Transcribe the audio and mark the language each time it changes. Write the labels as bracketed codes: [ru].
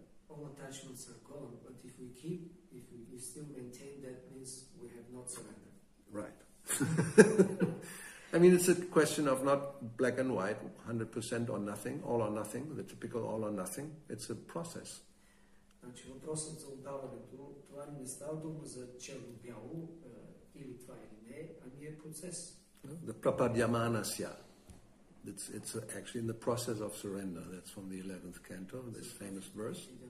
[en] All attachments are gone, but if we still maintain, that means we have not surrendered. Right. I mean, it's a question of not black and white, 100% or nothing, all or nothing, the typical all or nothing. It's a process. [bg] Значи въпросът за отдаването, това не става дума за черно-бяло или това или не, а ми е процес. [en] The prapadyamanasya. It's actually in the process of surrender. That's from the 11th canto, this famous verse.